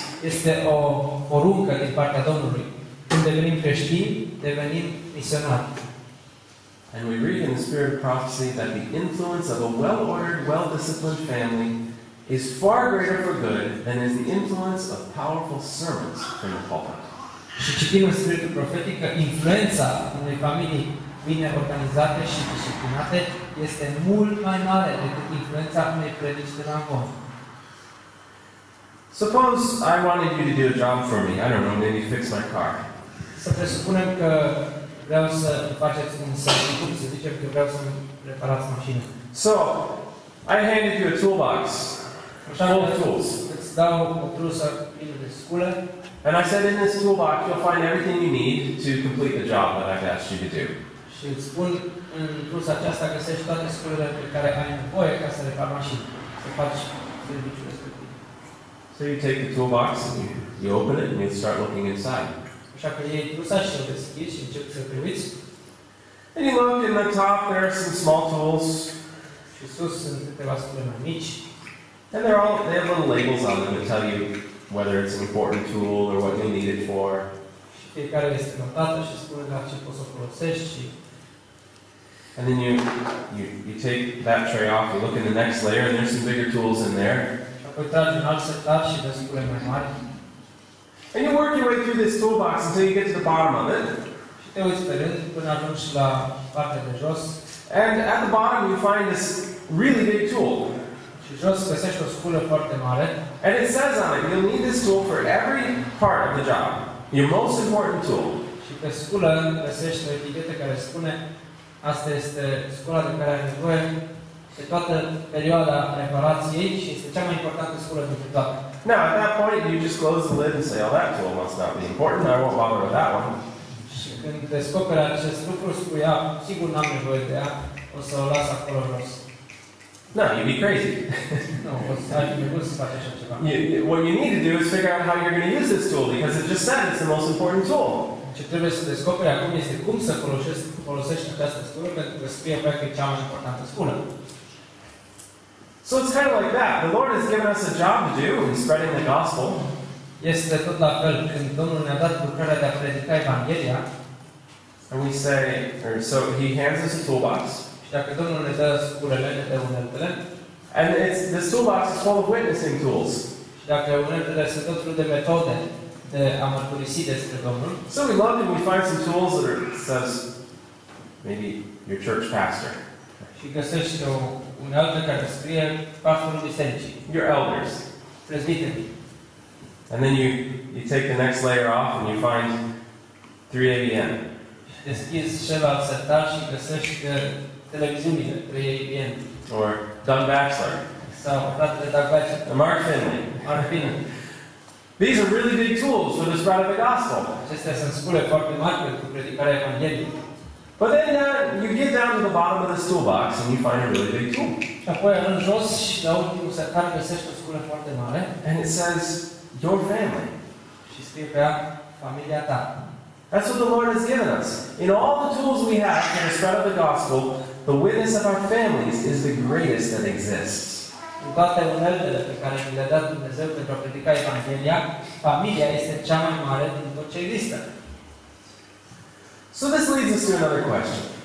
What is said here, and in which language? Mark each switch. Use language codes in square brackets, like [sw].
[ro] Este o poruncă din partea Domnului. Când devenim creștini, devenim misionari. [en] And we read in the spirit of prophecy that the influence of a well-ordered, well-disciplined family is far greater for good than is the influence of powerful servants from the pulpit. [ro] Și citim în spiritul profetic că influența unei familii bine organizate și disciplinate este mult mai mare decât influența unei predici de rangon. [en] Suppose I wanted you to do a job for me. I don't know, maybe fix my car. [ro] Să presupunem că vreau să faceți un serviciu, să zicem că vreau să-mi reparați mașina. [en] So, I handed you a toolbox, full of tools. [ro] Îți dau o trusă plină de sculă. [en] And I said, in this toolbox, you'll find everything you need to complete the job that I've asked you to do. [ro] Și îți spun, în trusă aceasta găsești toate sculele pe care ai nevoie ca să repar mașina, să faci serviciul respectiv. [en] So you take the toolbox and you open it and you start looking inside. [ro] Așa că iei trusa și o deschizi și începi să priviți. [en] And you look in the top, there are some small tools. [ro] Și sus sunt câteva scule mai mici. [en] And they're all, they have little labels on them that tell you whether it's an important tool or what you need it for. [ro] Și fiecare este notată și spune la ce poți să o folosești și... [en] And then you take that tray off, you look in the next layer and there's some bigger tools in there. [ro] Și apoi tragi un alt setup și vezi scule mai mari. [en] And you work your way through this toolbox until you get to the bottom of it. [ro] Și te uiți pe rând până ajungi la partea de jos. [en] And at the bottom you find this really big tool. [ro] Și jos găsești o sculă foarte mare. [en] And it says on it, you'll need this tool for every part of the job. Your most important tool. [ro] Și pe sculă găsești o etichetă care spune, asta este scula de care ai nevoie pe toată perioada reparației și este cea mai importantă sculă dintre toate. [en] Now, at that point, you just close the lid and say, oh, that tool must not be important, I won't bother with that one. [ro] Și când descoperi acest lucru, spui, sigur n-am nevoie de ea, o să o las acolo jos. [en] No, you'd be crazy. [ro] Nu, ai nevoie să faci așa ceva. [en] What you need to do is figure out how you're going to use this tool, because it just said it's the most important tool. [ro] Ce trebuie să descoperi acum este cum să folosești această sculă, pentru că scrie pe care e cea mai importantă sculă. [en] So it's kind of like that. The Lord has given us a job to do in spreading the gospel. [ro] Este tot la fel. Când Domnul ne-a dat lucrarea de a predica Evanghelia. [en] And we say, or so he hands us a toolbox. [ro] Și dacă Domnul ne dă sculele, ne dă uneltele. [en] And it's, this toolbox is full of witnessing tools. [ro] Și dacă uneltele sunt tot felul de metode de a mărturisi despre Domnul. [en] So we love it. We find some tools that are, says, maybe your church pastor. [ro] Și găsești un altă care scrie pastorul bisericii. [en] Your elders. [ro] Prezbiterii. [en] And then you take the next layer off and you find 3ABN. [ro] Deschizi celălalt setar și găsești că televiziunile 3ABN. [en] Or Doug Baxter. [ro] Sau fratele Doug Baxter. [en] Mark Finley. [ro] Mark Finley. [en] These are really big tools for the spread of the gospel. [ro] Acestea sunt scule foarte mari pentru predicarea Evangheliei. [en] But then you get down to the bottom of this toolbox and you find a really big tool. [ro] Și apoi în jos și la ultimul setar găsești o sculă foarte mare. [en] And it says, your family. [ro] Și scrie pe ea, familia ta. [en] That's what the Lord has given us. In all the tools we have for the spread of the gospel, the witness of our families is the greatest that exists. [ro] În toate uneltele pe care mi le-a dat Dumnezeu pentru a predica Evanghelia, familia este cea mai mare din tot ce există. [en] So this leads us to another question.